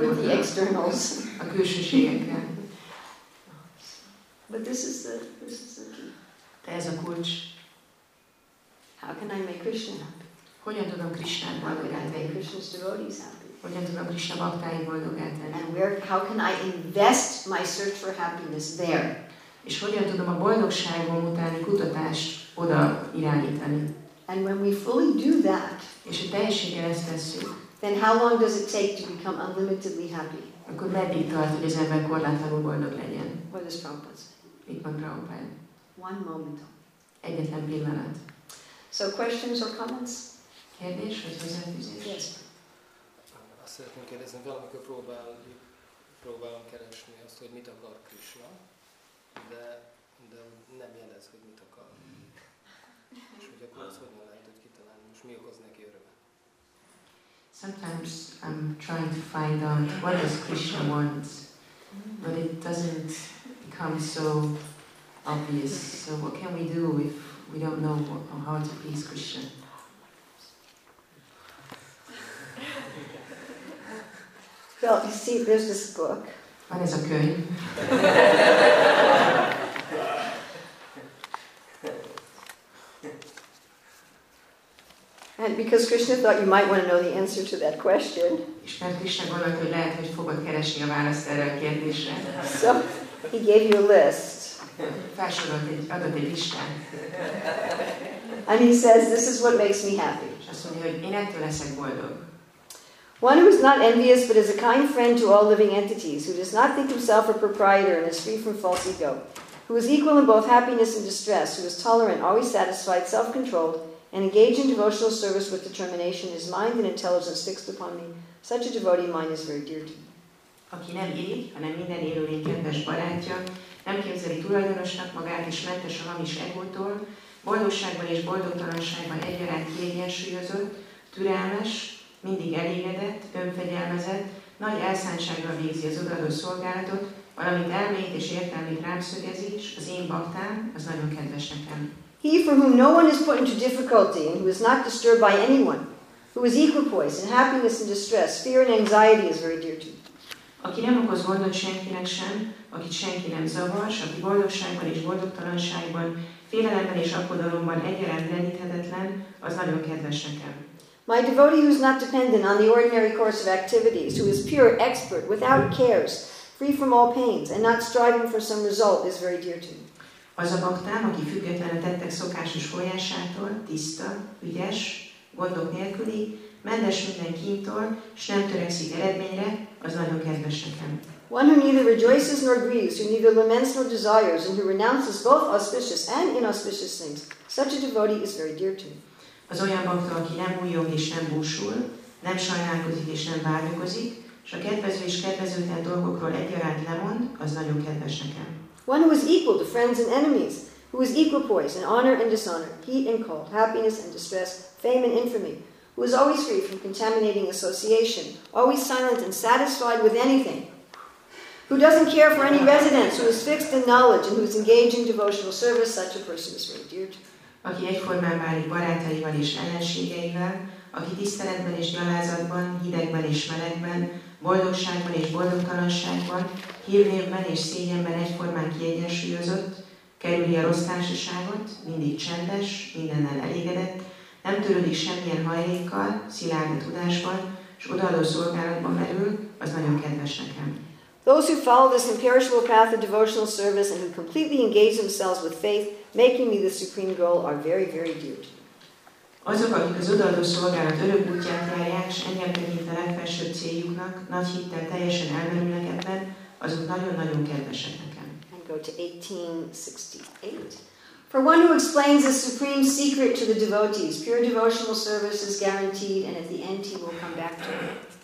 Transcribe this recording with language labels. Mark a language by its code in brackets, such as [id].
[hu] gondolok. [en] With the externals. [hu] A külsőségekkel. [en] But this is the key. [hu] De ez a kulcs. [en] How can I make Krishna happy? [hu] Hogyan tudom Krishnát boldogát tenni? [en] How can I make Krishna's devotees happy? [hu] Hogyan tudom Krishna baktáim boldogát tenni? [en] And where, how can I invest my search for happiness there? [hu] És hogyan tudom a boldogságom utáni kutatást oda irányítani? [en] And when we fully do that, [hu] és ha teljességgel ezt tesszük, [en] then how long does it take to become unlimitedly happy? [hu] Akkor meddig tart, hogy az ember korlátlanul boldog legyen? [en] What does Prabhupada say? [hu] Mit mond Prabhupada? [en] One moment. [hu] Egyetlen pillanat. [en] So questions or comments? [hu] Kérdés vagy hozzáfűzés? [en] Yes. [hu] Szeretném kérdezni, valamikor próbálom keresni azt, hogy mit akar Krishna, de nem jelez, hogy mit akar. És hogy akkor az hogyan lehet, hogy kitalálni, és mi okoz neki örömet. [en] Sometimes I'm trying to find out what does Krishna want, but it doesn't become so obvious. So what can we do if we don't know how to please Krishna? Well, you see, there's this book. [hu] Van ez a könyv. [en] And because Krishna thought you might want to know the answer to that question. [hu] És mert Krishna gondolt, hogy lehet, hogy fogod keresni a választ erre a kérdésre. [en] So, he gave you a list. [hu] Felsorolt egy, adott egy listát. [en] And he says, this is what makes me happy. [hu] És azt mondja, hogy én ettől leszek boldog. [en] One who is not envious but is a kind friend to all living entities, who does not think himself a proprietor and is free from false ego, who is equal in both happiness and distress, who is tolerant, always satisfied, self-controlled, and engaged in devotional service with determination, his mind and intelligence fixed upon me, such a devotee mind is very dear to me. [hu] Aki nem éli, hanem minden élőlény kedves barátja, nem képzeli tulajdonosnak magát és mentes a hamis egótól, boldogságban és boldogtalanságban egyaránt kiegyensúlyozott, türelmes, mindig elégedett, önfegyelmezett, nagy elszántsággal végzi az odaadó szolgálatot, valamint elmét és értelmét rám szögezi, és az én baktám, az nagyon kedves nekem. [en] He for whom no one is put into difficulty and who is not disturbed by anyone, who is equipoise in happiness and distress, fear and anxiety is very dear to me. [hu] Aki nem okoz gondot senkinek sem, akit senki nem zavar, s aki boldogságban és boldogtalanságban, félelemben és aggodalomban egyaránt leníthetetlen, az nagyon kedves nekem. [en] My devotee who is not dependent on the ordinary course of activities, who is pure, expert, without cares, free from all pains, and not striving for some result, is very dear to me. [hu] Az a baktám, aki független a tettek szokásos folyásától, tiszta, ügyes, gondok nélküli, mentes minden kínytól, s nem törekszik eredményre, az nagyon kedves nekem. [en] One who neither rejoices nor grieves, who neither laments nor desires, and who renounces both auspicious and inauspicious things, such a devotee is very dear to me. [hu] Az olyan bakta, aki nem újjog és nem búsul, nem sajnálkozik és nem vágyakozik, s a kedvező és kedvezőtlen dolgokról egyaránt lemond, az nagyon kedves nekem. [en] One who is equal to friends and enemies, who is equipoise in honor and dishonor, heat and cold, happiness and distress, fame and infamy, who is always free from contaminating association, always silent and satisfied with anything, Who doesn't care for any residents, who is fixed in knowledge, and who is engaged in devotional service, such a person is very dear to me. [hu] Aki egyformán válik barátaival és ellenségeivel, aki tiszteletben és gyalázatban, hidegben és melegben, boldogságban és boldogtalanságban, hírnévben és szégyenben egyformán kiegyensúlyozott, kerüli a rossz társaságot, mindig csendes, mindennel elégedett, nem törődik semmilyen hajlékkal, szilárd a tudásban, és odaadó szolgálatban merül, az nagyon kedves nekem. [en] Those who follow this imperishable path of devotional service and who completely engage themselves with faith, making me the supreme goal, are very, very dear to me. [hu] Azok, akik az odaadó szolgálat örök útját járják, és engem tekint a legfelső céljuknak, nagy hittel teljesen elmerülnek ebben, azok nagyon-nagyon kedvesek nekem. [en] And go to 1868. For one who explains the supreme secret to the devotees, pure devotional service is guaranteed, and at the end he will come back to me.